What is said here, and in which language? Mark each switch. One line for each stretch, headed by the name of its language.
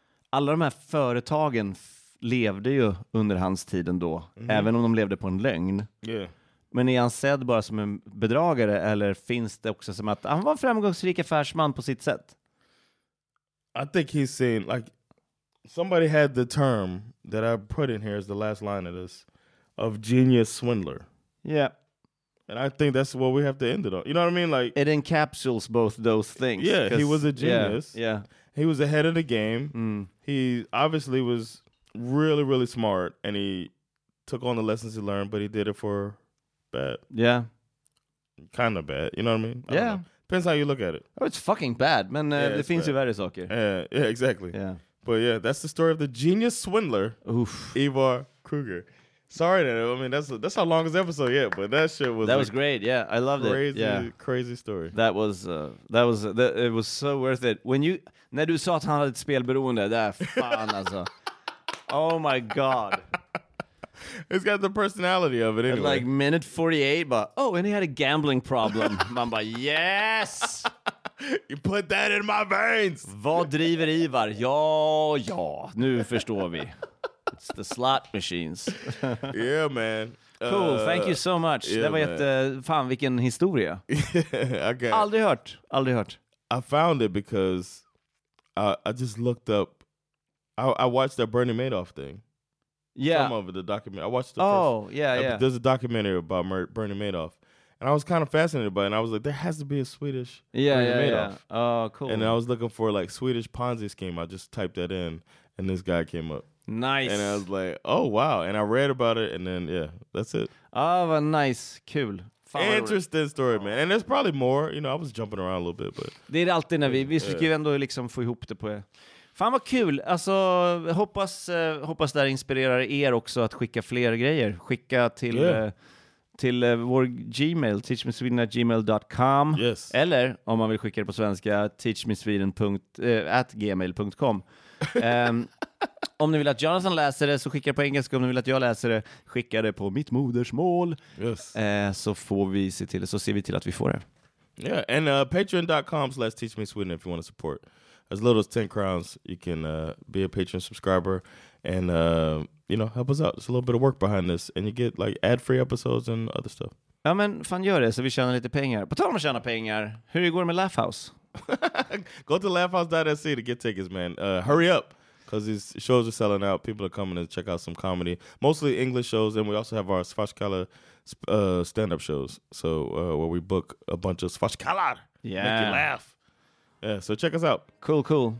Swedish: Alla de här företagen levde ju under hans tiden då, även om de levde på en lögn.
English: Yeah.
Swedish: Men är han sedd bara som en bedragare eller finns det också som att han var en framgångsrik affärsman på sitt sätt?
English: I think he's saying, like, somebody had the term that I put in here as the last line of this, of genius swindler. Yeah. And I think that's what we have to end it on. You know what I mean? Like, it encapsulates both those things. Yeah, he was a genius. Yeah. He was ahead of the game. Mm. He obviously was really, really smart, and he took on the lessons he learned, but he did it for bad. Yeah. Kind of bad. You know what I mean? Yeah. Depends how you look at it. Oh, it's fucking bad, man. The things you've had is okay. Yeah, exactly. Yeah. But yeah, that's the story of the genius swindler, oof, Ivar Kreuger. Sorry, I mean, that's our longest episode yet, but that shit was... That was great, yeah. I loved crazy, it. Crazy, yeah. Crazy story. It was so worth it.
Swedish: När du sa att han hade ett spelberoende, där fan alltså.
English: Oh my god. It's got the personality of it anyway. At like minute 48, but and he had a gambling problem.
Swedish: Man bara,
English: yes! You put that in my veins!
Swedish: Vad driver Ivar? Ja, nu förstår vi.
English: It's the slot machines. Yeah, man. Cool, thank you so much. Yeah,
Swedish: det var fan vilken historia.
English: Okay.
Swedish: Aldrig hört.
English: I found it because I just looked up, I watched that Bernie Madoff thing. Yeah. Some of it, the document. I watched the There's a documentary about Bernie Madoff. And I was kind of fascinated by it. And I was like, there has to be a Swedish Bernie Madoff. Oh, cool. And I was looking for like Swedish Ponzi scheme. I just typed that in and this guy came up. Nice. And I was like, oh, wow. And I read about it. And then, yeah, that's it. Oh, but nice. Cool. Interesting story, man. And there's probably more. You know, I was jumping around a little bit. But
Swedish: det är alltid när vi försöker ändå liksom få ihop det på... Fan vad kul. Alltså, hoppas det här inspirerar er också att skicka fler grejer. Skicka till vår Gmail, teachmesweden@gmail.com.
English: Yes.
Swedish: Eller, om man vill skicka det på svenska, teachmesweden@gmail.com. om ni vill att Jonathan läser det så skickar på engelska. Om ni vill att jag läser det, skicka det på mitt modersmål.
English: Yes.
Swedish: Så får vi se till det. Så ser vi till att vi får det.
English: Yeah, and patreon.com/teachmesweden if you want to support. As little as 10 crowns, you can be a Patreon subscriber and, you know, help us out. It's a little bit of work behind this. And you get, like, ad-free episodes and other stuff.
Swedish: Ja, men fan gör det så vi tjänar lite pengar. På tal om att tjäna pengar, hur går det med Laugh House?
English: Go to laughhouse.se to get tickets, man. Hurry up, because these shows are selling out. People are coming to check out some comedy. Mostly English shows, and we also have our Svashkala stand-up shows. So, where we book a bunch of Svashkala. Yeah. Make you laugh. Yeah, so check us out. Cool.